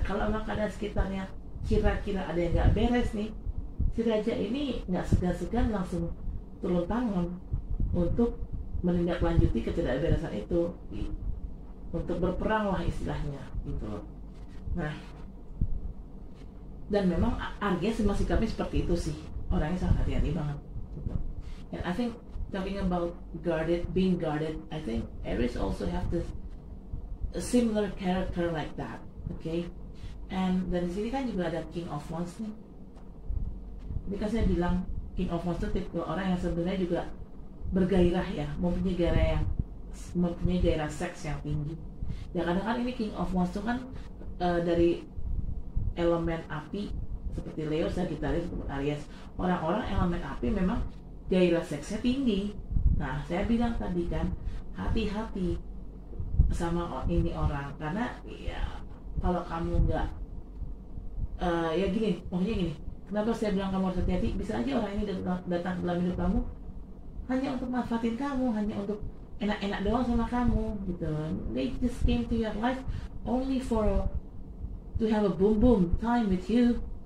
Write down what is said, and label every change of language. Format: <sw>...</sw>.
<id>Kalau memang keadaan sekitarnya kira-kira ada yang enggak beres nih, si raja ini enggak segan-segan langsung turun tangan untuk menindaklanjuti ketidakberesan itu, untuk berperang lah istilahnya gitu. Nah, dan memang Aries sama sikapnya seperti itu sih. Orangnya sangat hati-hati banget.</id> <en>And I think talking about guarded, being guarded, I think Aries also have this a similar character like that.</en> <id>Okay. And dan di sini kan juga ada King of Wands nih. Ketika saya bilang King of Wands itu tipe orang yang sebenarnya juga bergairah ya, mempunyai gairah seks yang tinggi. Ya kadang-kadang ini King of Wands itu kan dari elemen api seperti Leo, Sagittarius, Aries. Orang-orang elemen api memang gairah seksnya tinggi. Nah, saya bilang tadi kan, hati-hati sama ini orang, karena ya kalau kamu nggak ya gini, maksudnya gini, kenapa saya bilang kamu harus hati-hati, bisa aja orang ini datang dalam hidup kamu hanya untuk manfaatin kamu, hanya untuk enak-enak doang sama kamu gitu.</id> <en>They just came to your life only for to have a boom boom time with you.</en>